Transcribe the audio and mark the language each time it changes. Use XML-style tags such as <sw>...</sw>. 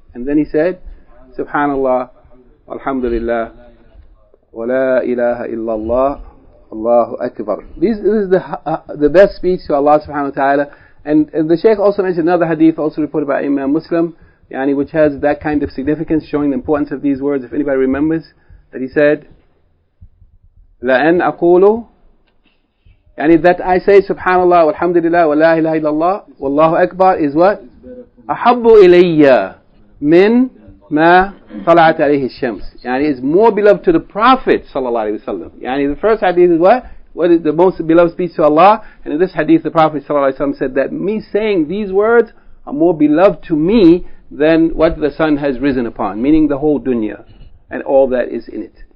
<en>And then he said, Subhanallah, Alhamdulillah, wa la ilaha illallah, Allahu Akbar. This is the best speech to Allah subhanahu wa ta'ala. And the Shaykh also mentioned another hadith also reported by Imam Muslim, yani which has that kind of significance showing the importance of these words, if anybody remembers. That he said,</en> <ar>لَأَنْ أَقُولُ يعني</ar> <en>that I say Subhanallah,</en> <ar>والحمد لله, ولا إله إلا الله, والله أكبر</ar> <en>is what?</en> <ar>أحب إلي من ما طلعت عليه الشمس.</ar> <en>يعني is more beloved to the Prophet صلى الله عليه وسلم. يعني the first hadith is what? What is the most beloved speech to Allah? And in this hadith, the Prophet صلى الله عليه وسلم said that me saying these words are more beloved to me than what the sun has risen upon, meaning the whole dunya and all that is in it.</en>